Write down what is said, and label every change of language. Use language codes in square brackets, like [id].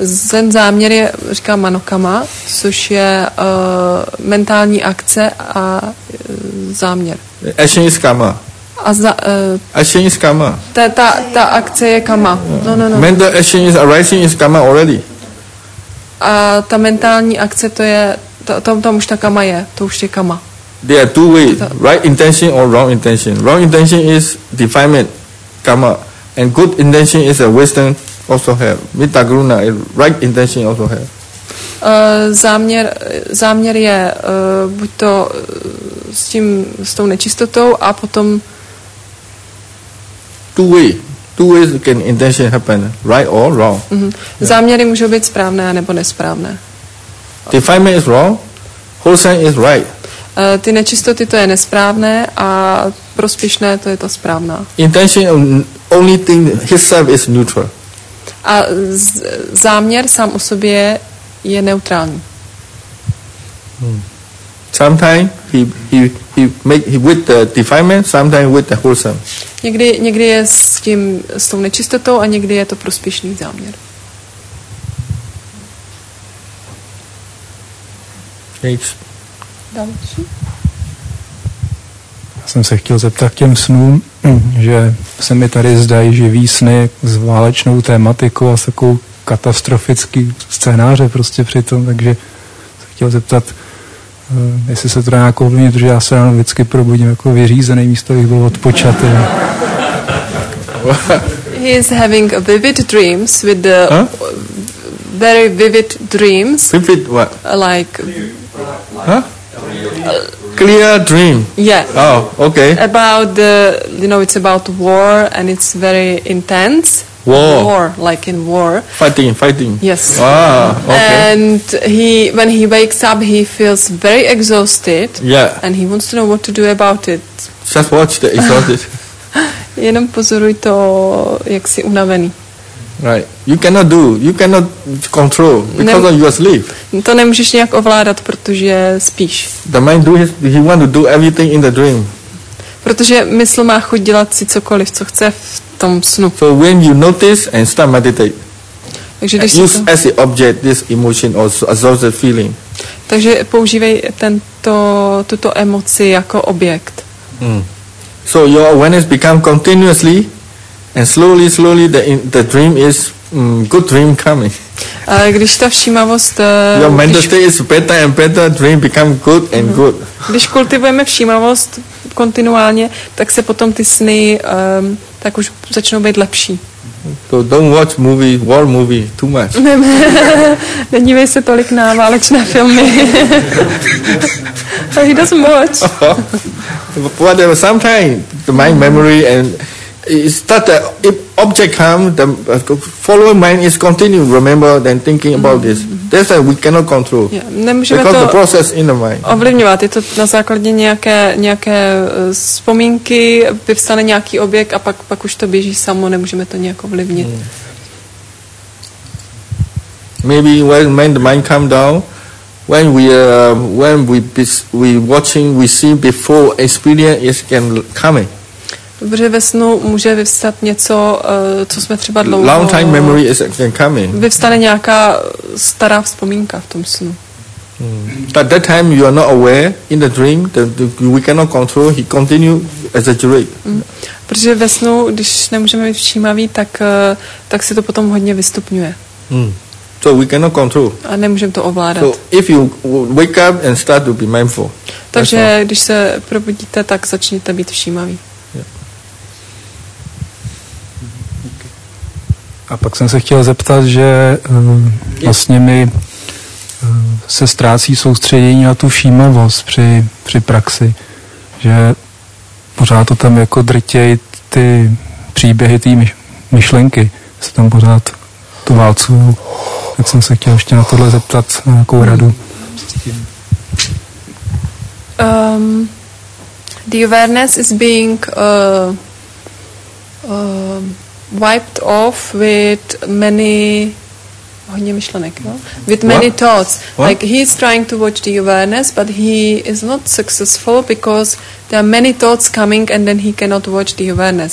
[cs] Ten záměr je, říká manokama, což je mentální akce a záměr. [en] Action is karma. Action is karma. [cs] Ta akce je karma. No. [en] Mental action is arising is karma already. [cs] A ta mentální akce to je, tam už ta karma je, to už je karma. [en] There are two ways, right intention or wrong intention. Wrong intention is defilement, karma. And good intention is a wisdom also have. Mitta guruna, right intention also have. [cs] Záměr je buď to s tou nečistotou a potom [en] two ways can intention happen, right or wrong. Mm-hmm. Yeah. [cs] Záměry můžou být správné nebo nesprávné. [en] Defilement is wrong, wholesome is right. [cs] Ty nečistoty to je nesprávné a prospěšné to je to správná. [en] Intention only thing itself is neutral. [cs] A záměr sám o sobě je neutrální. [en] Sometimes he make he with the defilement, sometimes with the wholesome. [cs] Někdy je s tou nečistotou a někdy je to prospěšný záměr. Já jsem se chtěl zeptat těm snům, že se mi tady zdají živý sny s válečnou tématikou a s takovou katastrofický scénáře prostě přitom, takže se chtěl zeptat, jestli se to dá nějak ovlivnit, protože já se ráno vždycky probudím jako vyřízený, místo bych byl odpočatý. [en] He is having vivid dreams with the very vivid dreams. Vivid what? Like... Clear dream. Yeah. Oh, okay. About the, you know, it's about war and it's very intense. War, like in war. Fighting. Yes. Ah, okay. And when he wakes up, he feels very exhausted. Yeah. And he wants to know what to do about it. Just watch the exhausted. [cs] Jenom pozoruj to, jak si unavený. [en] Right. You cannot control because of your sleep. [cs] To nemůžeš nějak ovládat, protože spíš. [en] The mind he want to do everything in the dream. [cs] Protože mysl má chuť dělat si cokoliv, co chce v tom snu. [en] So when you notice and start meditate. [cs] Takže když [en] use as the object this emotion or associated feeling. [cs] Takže používej tuto emoci jako objekt. [en] So your awareness become continuously. And slowly the dream is good dream coming. [cs] Když ta všímavost [en] your mental state is better and better, dream become good and good. [cs] Když kultivujeme všímavost kontinuálně, tak se potom ty sny tak už začnou být lepší. [en] So don't watch movie, war movie too much. [cs] Nedívej se tolik na válečné filmy. [en] He doesn't watch. Whatever, sometimes the mind memory and it's that the object come, the following mind is continuing, remember, then thinking about this. That's why we cannot control. Yeah, because the process in the mind. [cs] Ovlivňovat. Je to na základě nějaké vzpomínky, vyvstane nějaký objekt a pak už to běží samo, nemůžeme to nějak ovlivnit. [en] Maybe when the mind come down, when we when we watching, we see before experience is can come. [cs] Dobře, ve snu může vyvstat něco, co jsme třeba dlouho. [en] Long time memory is can come. [cs] Vyvstane nějaká stará vzpomínka v tom snu. Hmm. [en] At that time you are not aware in the dream that we cannot control. He continue exaggerate. [cs] Protože ve snu, když nemůžeme být všímaví, tak se to potom hodně vystupňuje. [en] So we cannot control. [cs] A nemůžeme to ovládat. [en] So if you wake up and start to be mindful. [cs] Takže když se probudíte, tak začněte být všímaví. [en] Yeah. [cs] Okay. A pak jsem se chtěl zeptat, že vlastně mi se ztrácí soustředění na tu všímavost při praxi, že pořád to tam jako drtějí ty příběhy, ty myšlenky, se tam pořád tu válcují. Tak jsem se chtěl ještě na tohle zeptat, na nějakou radu. [en] The awareness is being wiped off with many [cs] hodně myšlenek, no? [en] With many what? Thoughts. What? Like, he's trying to watch the awareness, but he is not successful because there are many thoughts coming and then he cannot watch the awareness.